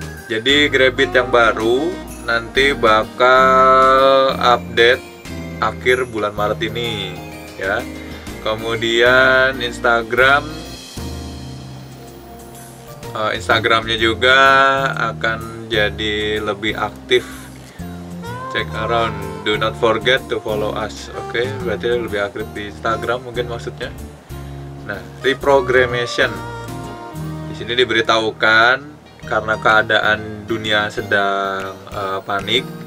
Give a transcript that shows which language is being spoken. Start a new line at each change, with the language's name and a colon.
Indonesian: Jadi Grabbit yang baru nanti bakal update akhir bulan Maret ini ya. Kemudian Instagram, Instagramnya juga akan jadi lebih aktif.
English: Check around, do not forget to follow us.
Indonesian: Oke, berarti lebih aktif di Instagram mungkin maksudnya. Nah, reprogramation. Di sini diberitahukan karena keadaan dunia sedang panik.